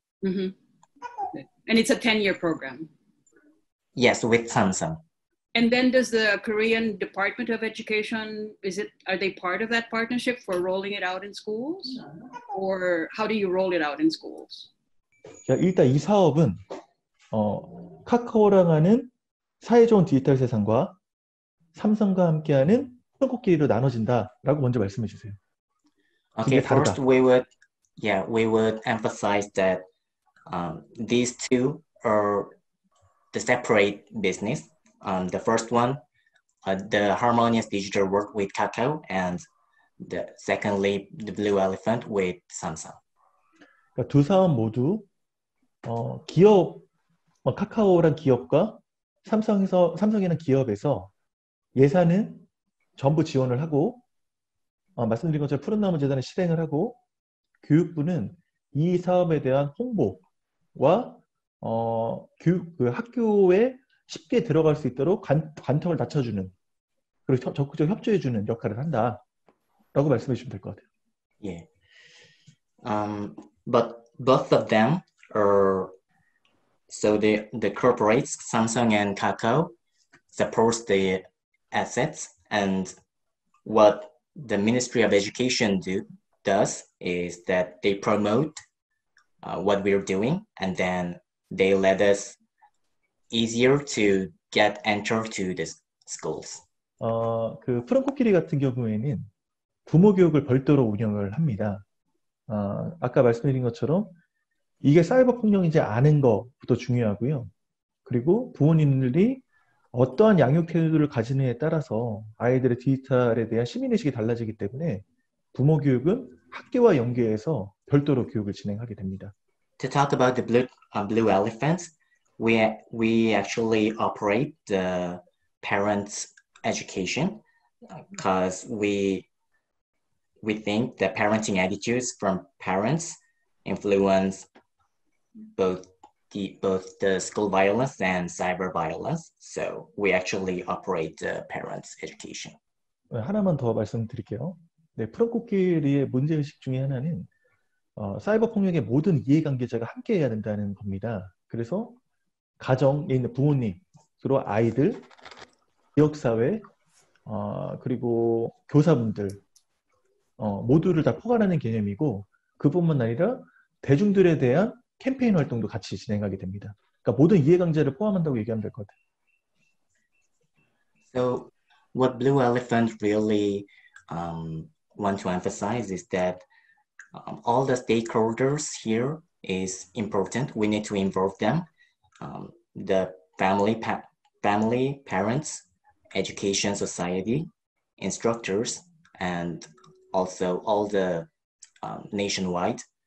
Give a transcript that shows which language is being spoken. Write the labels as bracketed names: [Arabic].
[English] Mm-hmm. And it's a 10-year program. Yes, with Samsung. And then does the Korean Department of Education, are they part of that partnership for rolling it out in schools? Or how do you roll it out in schools? [Korean] 자, 일단 이 사업은 카카오랑 하는 사회적 디지털 세상과 삼성과 함께하는 손꼽끼리로 나눠진다라고 먼저 말씀해 주세요. [English] Okay, first we would emphasize that these two are the separate business. The first one, the harmonious digital work with Kakao, and the secondly, the Blue Elephant with Samsung. [Korean] 그러니까 두 사업 모두 기업, 카카오란 기업과 삼성이란 기업에서 예산은 전부 지원을 하고 말씀드린 것처럼 푸른나무 재단의 실행을 하고 교육부는 이 사업에 대한 홍보와 학교에 쉽게 들어갈 수 있도록 관통을 낮춰주는 그리고 적극적으로 협조해주는 역할을 한다라고 말씀해 주시면 될 것 같아요. [English] Yeah. But both of them are so the corporates Samsung and Kakao supports the assets, and what the Ministry of Education does is that they promote what we're doing, and then they let us easier to get enter to the schools. [Korean] 그 푸른코끼리 같은 경우에는 부모 교육을 별도로 운영을 합니다. 아까 말씀드린 것처럼 이게 사이버 폭력인지 아는 것부터 중요하고요. 그리고 부모님들이 어떠한 양육 태도를 가지느냐에 따라서 아이들의 디지털에 대한 시민의식이 달라지기 때문에 부모 교육은 학교와 연계해서 별도로 교육을 진행하게 됩니다. [English] To talk about the blue elephants, we actually operate the parents' education because we think the parenting attitudes from parents influence both the school violence and cyber violence. So we actually operate the parents' education. [Korean] 하나만 더 말씀드릴게요. 네, 푸른코끼리의 문제의식 중에 하나는 사이버 폭력의 모든 이해관계자가 함께 해야 된다는 겁니다. 그래서 가정에 있는 부모님, 그리고 아이들, 지역사회, 그리고 교사분들 모두를 다 포괄하는 개념이고 그뿐만 아니라 대중들에 대한 캠페인 활동도 같이 진행하게 됩니다. 그러니까 모든 이해관계를 포함한다고 얘기하면 될 것 같아요. [English] So what Blue Elephant really want to emphasize is that all the stakeholders here is important. We need to involve them. The family, parents, education, society, instructors, and also all the nationwide.